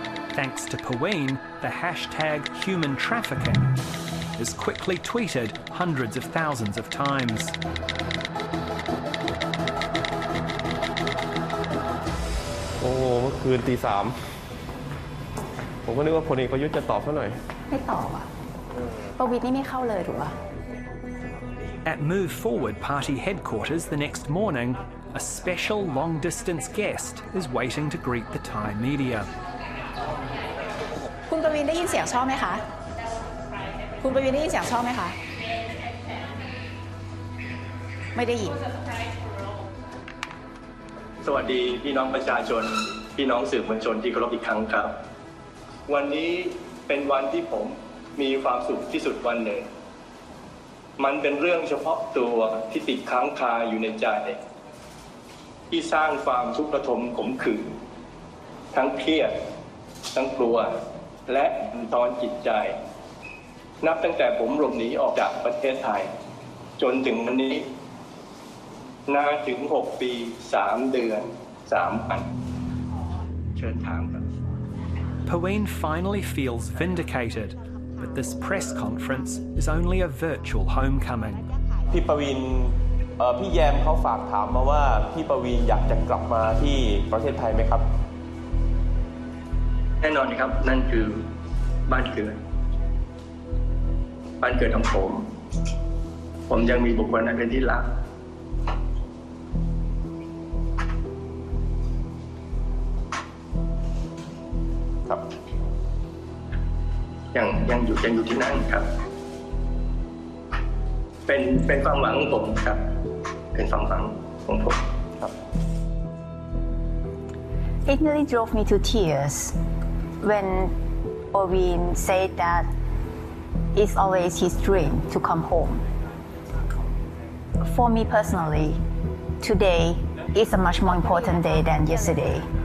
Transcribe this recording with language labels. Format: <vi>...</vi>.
<en>Thanks to Pawin, the hashtag human trafficking is quickly tweeted hundreds of thousands of times.</en> <th>โอ้โหเมื่อคืนตีสามผมก็นึกว่าพลเอกประยุทธ์จะตอบซะหน่อย ไม่ตอบอ่ะประวิตรนี่ไม่เข้าเลยถูกป่ะ</th> <en>At Move Forward Party Headquarters the next morning a special long distance guest is waiting to greet the Thai media</en> <th>คุณประวิตรได้ยินเสียงชอบไหมคะคุณประวิตรได้ยินเสียงชอบไหมคะไม่ได้ยิน สวัสดีพี่น้องประชาชนพี่น้องสื่อมวลชนที่เคารพอีกครั้งครับวันนี้เป็นวันที่ผมมีความสุขที่สุดวันหนึ่งมันเป็นเรื่องเฉพาะตัวที่ติดค้างคาอยู่ในใจที่สร้างความทุกข์ระทมขมขื่นทั้งเครียดทั้งกลัวและตอนจิตใจนับตั้งแต่ผมหลบหนีออกจากประเทศไทย จนถึงวันนี้นานถึง6ปี3เดือน3วันเชิญถามครับ</th> <en>Pawin finally feels vindicated but this press conference is only a virtual homecoming</en> <th>พี่ปวินพี่แยมเขาฝากถามมาว่าพี่ปวินอยากจะกลับมาที่ประเทศไทยไหมครับ แน่นอนครับนั่นคือบ้านเกิดบ้านเกิดของผมผมยังมีบุคคลนั้นเป็นที่รัก ครับ ยังอยู่ที่นั่นครับเป็นความหวังของผมครับเป็นความหวังของผม ครับ</th> <en>It nearly drove me to tears when Pawin said that it's always his dream to come home. For me personally, today is a much more important day than yesterday.</en>